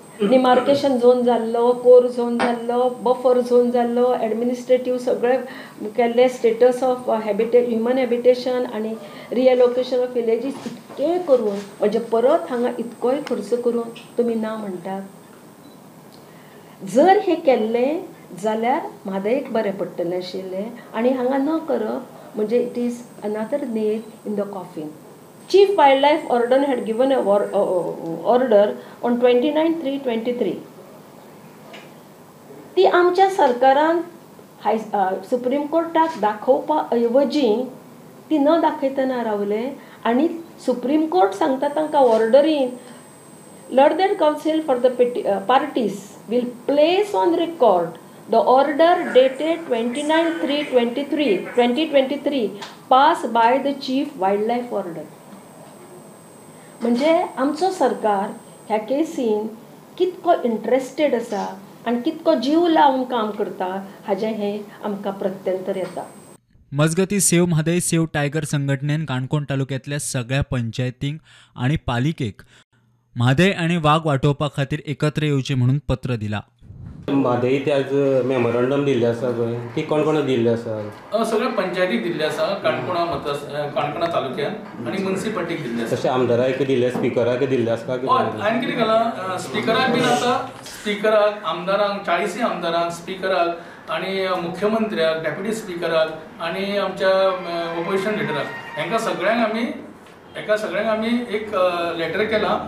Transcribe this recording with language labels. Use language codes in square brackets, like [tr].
[gom] Demarcation zone जाल्लो, कोर zone जाल्लो, buffer zone जाल्लो, एडमिनिस्ट्रेटीव सगळे केल्ले, स्टेटस ऑफ ह्युमन हॅबिटेशन आनी रिएलोकेशन ऑफ विलेजीस इतके करून म्हणजे परत हांगा इतकोय खर्च करून तुमी ना म्हणटात. जर हे केल्ले जाल्यार म्हादयेक बरें पडटले आशिल्ले, आनी हांगा न करप म्हणजे [en] It is another nail in the coffin. Chief Wildlife Warden had given an order on 29/3/23. [gom] ती आमच्या सरकारान सुप्रीम कोर्टाक दाखोवपा ऐवजी ती न दाखयतना रावले. आनी सुप्रीम कोर्ट सांगता तांकां ऑर्डरीन [en] Learned counsel for the parties will place on record the order dated 29/3/2023 pass by the chief wildlife order. [gom] म्हणजे आमचो सरकार ह्या केसीन कितको इंट्रेस्टेड असा आणि कितको जीव लावून काम करता हाजे हे आमकां प्रत्यंतर येता. मजगती सेव म्हादय सेव टायगर संघटनेन काणकोण तालुक्यातल्या सगळ्या पंचायतींक आणि पालिकेक म्हादय आणि वाघ वाटोवपा खातीर एकत्र येवचे म्हणून पत्र दिला. म्हादय त्याज मेमोरंडम दिल्ले आसा पळय, ती कोण कोण दिल्ले आसा? सगळ्या पंचायतीक दिल्ले आसा काणकोणा काणकोणा तालुक्यान आनी मुन्सिपालिटीक दिल्ले. तशें आमदाराक दिले, स्पिकराक दिल्ले आसता? हांवें कितें केलां, स्पिकराक बीन आसा, स्पिकराक आमदारांक 40 आमदारांक स्पिकराक आनी मुख्यमंत्र्याक डेप्युटी स्पिकराक आनी आमच्या ओपोजिशन लिडराक हांकां सगळ्यांक आमी एक लेटर केला.